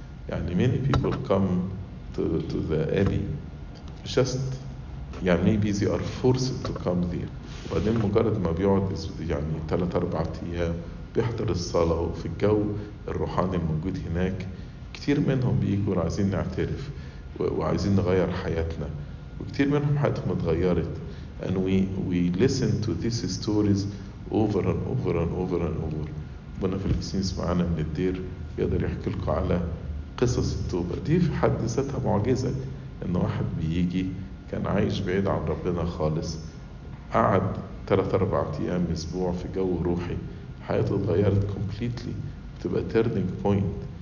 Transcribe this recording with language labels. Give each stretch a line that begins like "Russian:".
Arabic: يعني
English: many people come to the Abbey just
Arabic: يعني
English: maybe they are forced to come there.
Arabic: وبعدين مجرد ما بيقعد يعني 3-4 أيام بيحضر الصلاة وفي الجو الروحاني الموجود هناك، كتير منهم بيكون عايزين نعترف وعايزين نغير حياتنا، وكتير منهم حياتهم اتغيرت.
English: And we listen to these stories over and over and over and over.
Arabic: ربنا في الفلسطين سمعنا من الدير يقدر يحكي لكم على قصص التوبة دي في حد ذاتها معجزة، ان واحد بيجي كان عايش بعيد عن ربنا خالص، قعد 3-4 ايام اسبوع في جو روحي، حياته اتغيرت
English: completely,
Arabic: بتبقى
English: Turning point.